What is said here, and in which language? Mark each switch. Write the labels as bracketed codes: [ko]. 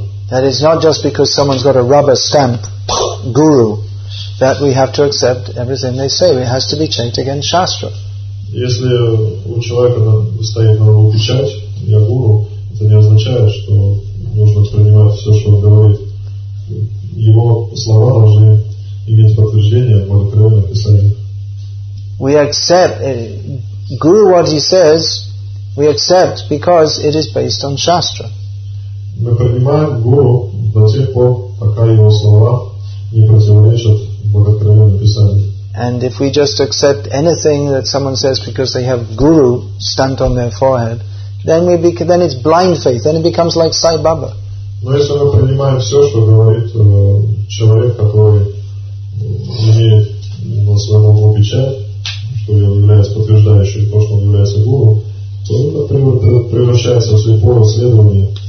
[en] That is not just because someone's got a rubber stamp, guru, that we have to accept everything they say. It has to be checked against Shastra. [ru] Если у человека стоит на руку печать, я гуру, это не означает, что нужно принимать все, что он говорит. Его слова должны иметь подтверждение в Богооткровенном Писании. [en] We accept guru what he says, we accept because it is based on Shastra. [ru] Мы принимаем гуру до тех пор, пока его слова не противоречат Богооткровенному Писанию. [en] And if we just accept anything that someone says because they have guru stamped on their forehead, then we then it's blind faith. Then it becomes like Sai Baba. [ru] Но если мы принимаем все, что говорит человек, который имеет на своем лбу печать, что является подтверждающим то, что он является гуру, то это превращается в слепое следование.